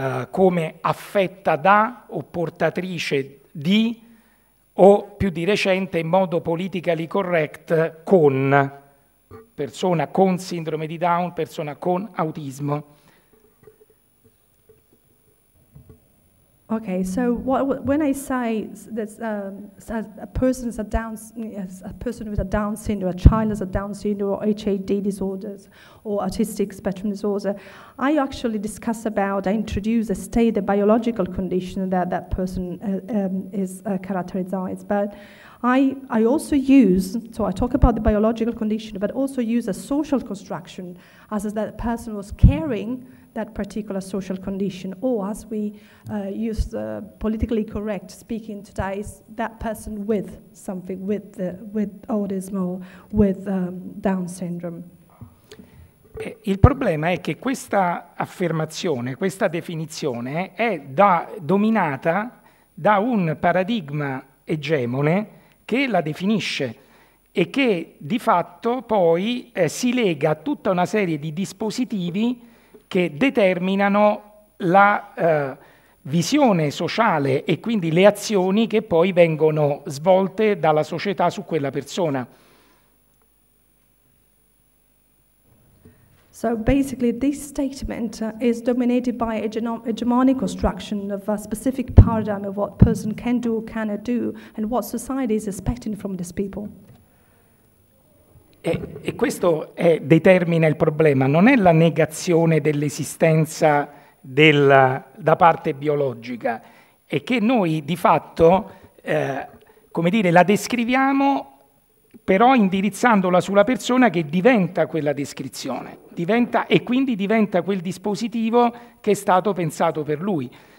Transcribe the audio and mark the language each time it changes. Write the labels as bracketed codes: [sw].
[it] come affetta da o portatrice di, o più di recente in modo politically correct, con persona con sindrome di Down, persona con autismo. [en] Okay, so when I say that a person with a Down syndrome, a child has a Down syndrome, or HAD disorders, or autistic spectrum disorder, I actually discuss about, I introduce a state, the biological condition that person is characterized. But I also use, so I talk about the biological condition, but also use a social construction as that person was caring that particular social condition, or as we use the politically correct speaking today, is that person with something, with autism or with Down syndrome. [it] Il problema è che questa affermazione, questa definizione, è dominata da un paradigma egemone che la definisce e che di fatto poi si lega a tutta una serie di dispositivi che determinano la visione sociale e quindi le azioni che poi vengono svolte dalla società su quella persona. [en] So basically this statement is dominated by a hegemonic construction of a specific paradigm of what person can do or cannot do and what society is expecting from these people. [it] E questo determina il problema, non è la negazione dell'esistenza da parte biologica, è che noi di fatto, come dire, la descriviamo però indirizzandola sulla persona che diventa quella descrizione, diventa, e quindi diventa quel dispositivo che è stato pensato per lui.